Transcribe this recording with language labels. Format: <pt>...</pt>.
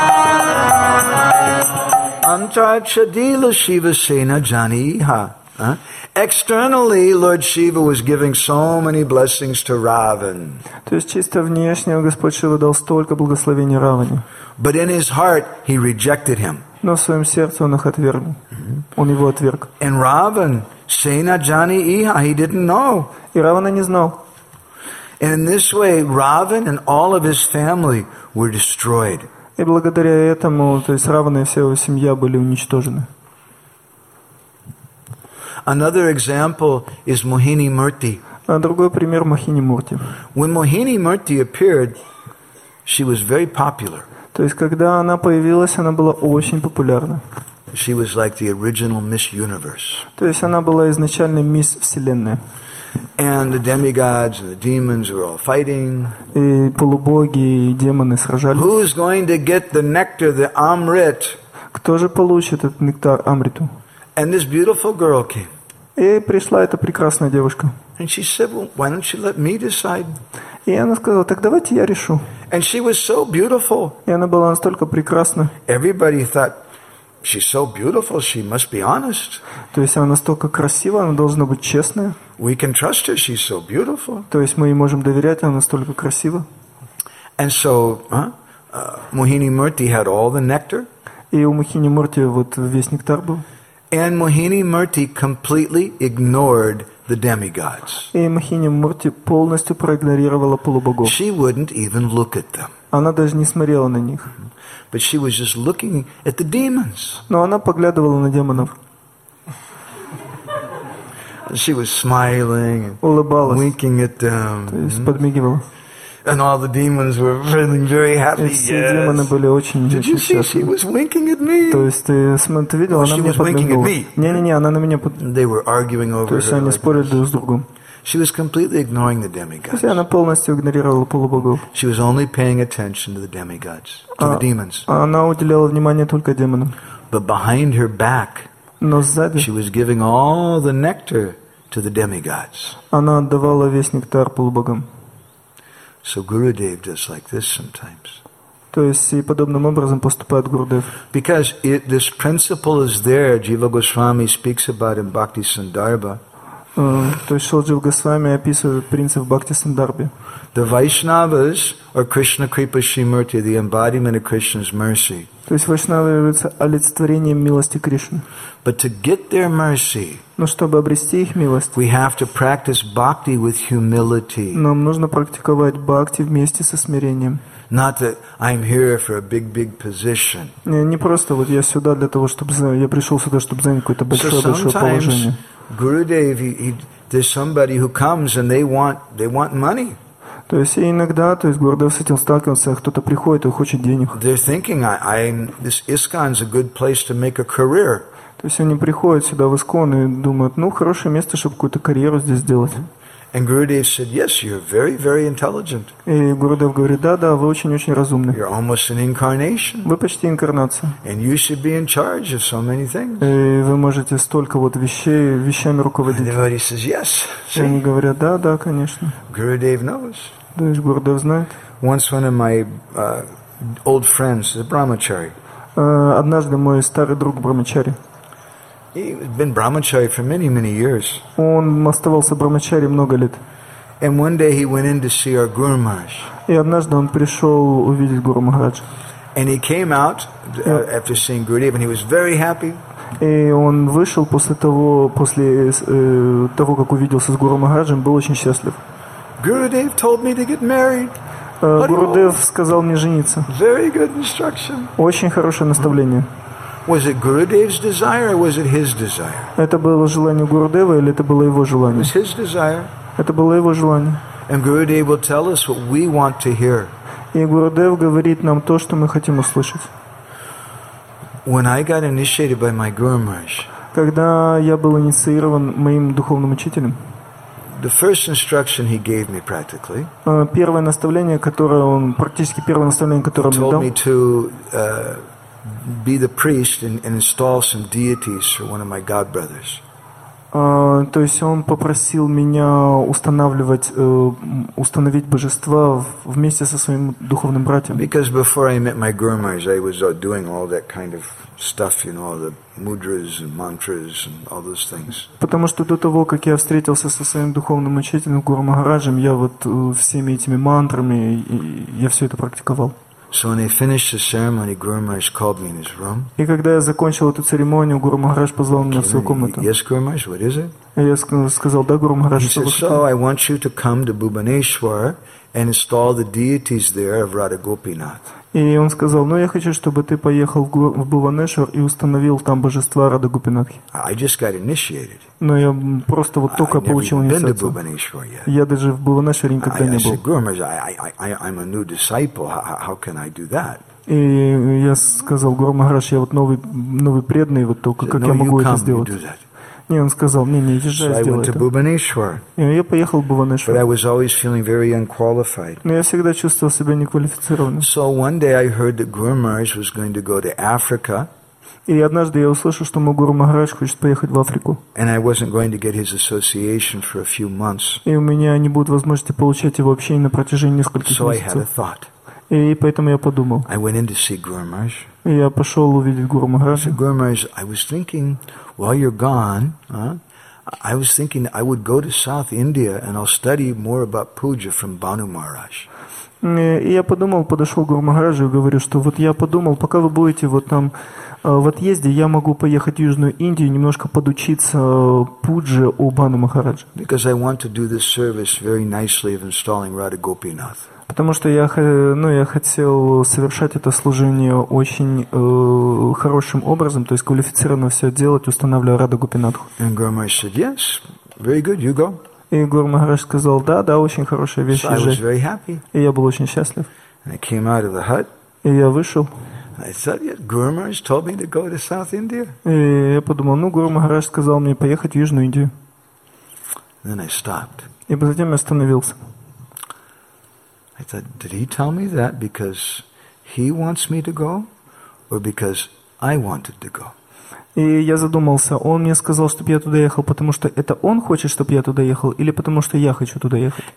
<bn>Antare chadila Shiva, sena jani iha.</bn> <en>Externally, Lord Shiva was giving so many blessings to Ravan.</en> <ru>То есть чисто внешне Господь Шива дал столько благословений Раване.</ru> <en>But in his heart, he rejected him.</en> <ru>Но в своем сердце он их отверг. Он его отверг.</ru> <en>And Ravan,</en> <bn>Sena Jani Iha,</bn> <en>he didn't know.</en> <ru>И Равана не знал.</ru> <en>And in this way, Ravan and all of his family were destroyed.</en> <ru>И благодаря этому, то есть Равана и вся его семья были уничтожены.</ru> <en>Another example is Mohini Murti.</en> <ru>Другой пример Мохини Мурти.</ru> <en>When Mohini Murti appeared, she was very popular.</en> <ru>То есть когда она появилась, она была очень популярна.</ru> <en>She was like the original Miss Universe.</en> <ru>То есть она была изначально мисс Вселенная.</ru> <en>And the demigods and the demons were all fighting.</en> <ru>И полубоги и демоны сражались.</ru> <en>Who is going to get the nectar, the amrit?</en> <ru>Кто же получит этот нектар амриту?</ru> <en>And this beautiful girl came.</en> <ru>И пришла эта прекрасная девушка.</ru> <en>And she said, well, "Why don't you let me decide?"</en> <ru>И она сказала, так давайте я решу.</ru> <en>And she was so beautiful.</en> <ru>И она была настолько прекрасна.</ru> <en>Everybody thought she's so beautiful. She must be honest.</en> <ru>То есть она настолько красива, она должна быть честная.</ru> <en>We can trust her. She's so beautiful.</en> <ru>То есть мы ей можем доверять, она настолько красива.</ru> <en>And so, Mohini Murti had all the nectar.</en> <ru>И у Мохини Мурти вот весь нектар был.</ru> <en>And Mohini Murti completely ignored the demigods.</en> <ru>И Мохини Мурти полностью проигнорировала полубогов.</ru> <en>She wouldn't even look at them.</en> <ru>Она даже не смотрела на них.</ru> <en>But she was just looking at the demons.</en> <ru>Но она поглядывала на демонов.</ru> <en>She was smiling,</en> <ru>улыбалась,</ru> <en>winking at them.</en> <ru>То есть подмигивала.</ru> <en>And all the demons were feeling very happy.</en> <ru>И все демоны были очень счастливы. То есть ты смотрел, видел, она мне подмигнула. Не-не-не, она на меня подмигнула.</ru> <en>They were arguing over.</en> <ru>То есть они спорили друг с другом.</ru> <en>She was completely ignoring the demigods.</en> <ru>Она полностью игнорировала полубогов.</ru> <en>She was only paying attention to the demigods, to the demons.</en> <ru>Она уделяла внимание только демонам.</ru> <en>But behind her back,</en> <ru>но сзади,</ru> <en>she was giving all the nectar to the demigods.</en> <ru>Она отдавала весь нектар полубогам.</ru> <en>So Guru Dev does like this sometimes.</en> <ru>То есть и подобным образом поступает Гуру Дев.</ru> <en>Because this principle is there, Jiva Goswami speaks about in Bhakti Sandarbha.</en> <ru>То есть Шрила Джива Госвами описывает принцип Бхакти Сандарбе.</ru> <en>The Vaishnavas are Krishna Kripa Shrimurti, the embodiment of Krishna's mercy.</en> <ru>То есть Вайшнавы являются олицетворением милости Кришны.</ru> <en>But to get their mercy,</en> <ru>но чтобы обрести их милость,</ru> <en>we have to practice bhakti with humility.</en> <ru>Нам нужно практиковать бхакти вместе со смирением.</ru> <en>Not that I'm here for a big position.</en> <ru>Не просто вот я сюда для того, чтобы я пришел сюда, чтобы занять какое-то большое положение.</ru> <en>Gurudev, there's somebody who comes and they want money.</en> <ru>То есть иногда, то есть Гурудев с этим сталкивается, кто-то приходит и хочет денег.</ru> <en>They're thinking, this ISKCON's a good place to make a career.</en> <ru>То есть они приходят сюда в ИСКОН и думают, ну хорошее место, чтобы какую-то карьеру здесь сделать.</ru> <en>And Gurudev said, yes, you're very, very intelligent.</en> <ru>И Гурудев говорит, да, вы очень-очень разумны.</ru> <en>You're almost an incarnation.</en> <ru>Вы почти инкарнация.</ru> <en>And you should be in charge of so many things.</en> <ru>И вы можете столько вот вещами руководить.</ru> <en>And everybody says, yes.</en> <ru>И они говорят, да, конечно.</ru> <en>Gurudev knows.</en> <ru>То есть Гурудев знает.</ru> <en>Once one of my old friends, the Brahmachari.</en> <ru>Однажды мой старый друг Брамачари.</ru> <en>He's been brahmachari for many, many years.</en> <ru>Он оставался брахмачари много лет.</ru> <en>And one day he went in to see our Guru Maharaj.</en> <ru>И однажды он пришел увидеть Гуру Махарадж.</ru> <en>And he came out after seeing Gurudev, and he was very happy.</en> <ru>И он вышел после того, как увиделся с Гуру Махараджем, был очень счастлив.</ru> <en>Gurudev told me to get married.</en> <ru>Гурудев сказал мне жениться.</ru> <en>Very good instruction.</en> <ru>Очень хорошее наставление.</ru> <en>Was it Gurudev's desire or was it his desire?</en> <ru>Это было желание Гурудева или это было его желание?</ru> <en>It was his desire.</en> <ru>Это было его желание.</ru> <en>And Gurudev will tell us what we want to hear.</en> <ru>И Гурудев говорит нам то, что мы хотим услышать.</ru> <en>When I got initiated by my Guru Maharaj,</en> <ru>когда я был инициирован моим духовным учителем,</ru> <en>the first instruction he gave me practically,</en> <ru>первое наставление, которое он практически первое наставление, которое мне дал,</ru> <en>told me to be the priest and install some deities for one of my god brothers.</en> <ru>То есть он попросил меня установить божества вместе со своим духовным братом.</ru> <en>Because before I met my Guru Maharaj, I was doing all that kind of stuff, you know, the mudras and mantras and all those things.</en> <ru>Потому что до того, как я встретился со своим духовным учителем Гуру Махараджем, я вот всеми этими мантрами я все это практиковал.</ru> <en>So when I finished the ceremony, Guru Maharaj called me in his room.</en> <ru>И когда я закончил эту церемонию, Гуру Махарадж позвал меня в свою комнату.</ru> <en>Yes, Guru Maharaj, what is it?</en> <ru>Я сказал, да, Гуру Махарадж.</ru> <en>He said, so I want you to come to Bhubaneswar and install the deities there of Radha Gopinath.</en> <ru>И он сказал, ну я хочу, чтобы ты поехал в Бхубанешвар и установил там божества Радха Гопинатхи.</ru> <en>I just got initiated.</en> <ru>Но я просто вот только получил инициацию. Я даже в Бхубанешваре никогда не был.</ru> <en>I'm a new disciple. How can I do that?</en> <ru>И я сказал, Гуру Махарадж, я вот новый преданный, вот только как я могу это сделать? Не, он сказал, не, езжай, сделай это. Я поехал в Бхубанешвар.</ru> <en>But I was always feeling very unqualified.</en> <ru>Но я всегда чувствовал себя неквалифицированным.</ru> <en>So one day I heard that Guru Maharaj was going to go to Africa.</en> <ru>И однажды я услышал, что мой Гуру Махарадж хочет поехать в Африку.</ru> <en>And I wasn't going to get his association for a few months.</en> <ru>И у меня не будет возможности получать его общение на протяжении нескольких месяцев.</ru> <en>So I had a thought.</en> <ru>И поэтому я подумал.</ru> <en>I went in to see Guru Maharaj.</en> <ru>И я пошел увидеть Гуру Махараджа.</ru> <en>I said, Guru Maharaj, I was thinking, while you're gone, I was thinking I would go to South India and I'll study more about puja from Banu Maharaj.</en> <ru>И я подумал, подошел к Гуру Махараджу и говорю, что вот я подумал, пока вы будете вот там в отъезде, я могу поехать в Южную Индию и немножко подучиться пудже у Бану Махараджа.</ru> <en>Because I want to do this service very nicely of installing Radha Gopinath.</en> <ru>Потому что я хотел совершать это служение очень хорошим образом, то есть квалифицированно все делать, устанавливая Радху Гопинатху.</ru> <en>And Guru Maharaj said, yes, very good, you go.</en> <ru>И Гуру Махарадж сказал, да, очень хорошая вещь.</ru> <en>So I was very happy.</en> <ru>И я был очень счастлив.</ru> <en>And I came out of the hut.</en> <ru>И я вышел.</ru> <en>I said, yeah, Guru Maharaj told me to go to South India.</en> <ru>И я подумал, Гуру Махарадж сказал мне поехать в Южную Индию.</ru> <en>Then I stopped.</en> <ru>И затем я остановился.</ru> <en>I thought, did he tell me that because he wants me to go or because I wanted to go?</en> <ru>И я задумался, он мне сказал, чтобы я туда ехал, потому что это он хочет, чтобы я туда ехал, или потому что я хочу туда ехать?</ru>